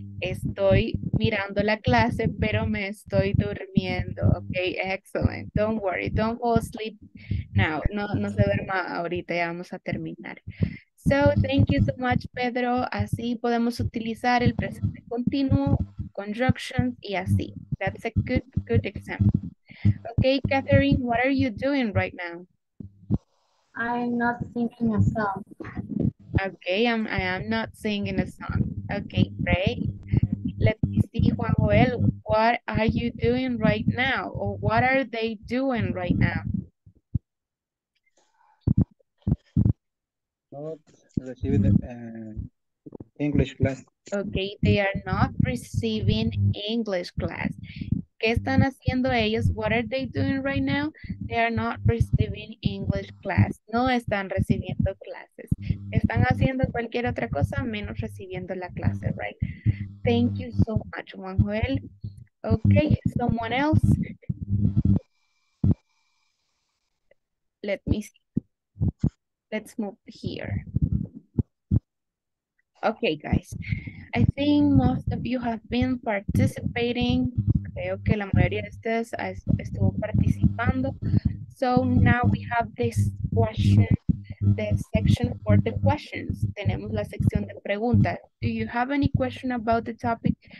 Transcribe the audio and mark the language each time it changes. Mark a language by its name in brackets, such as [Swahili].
[Spanish] Estoy mirando la clase, pero me estoy durmiendo. [English] Okay, excellent. Don't worry. Don't fall asleep now. [Spanish] No, no se duerma ahorita. Ya vamos a terminar. [English] So, thank you so much, Pedro. [Spanish] Así podemos utilizar el presente continuo, conjunctions, y así. [English] That's a good, good example. Okay, Catherine, what are you doing right now? I'm not singing a song. Okay, I am not singing a song. Okay, great. Let me see, Juan Joel, what are you doing right now? Or what are they doing right now? Not receiving English class. Okay, they are not receiving English class. [Spanish] ¿Qué están haciendo ellos? [English] What are they doing right now? They are not receiving English class. [Spanish] No están recibiendo clases. Están haciendo cualquier otra cosa menos recibiendo la clase, right? [English] Thank you so much, Juan Joel. Okay, someone else? Let me see. Let's move here. Okay, guys. I think most of you have been participating. [Spanish] Creo que la mayoría de ustedes estuvo participando. [English] So now we have this question, the section for the questions. [Spanish] Tenemos la sección de preguntas. [English] Do you have any question about the topic?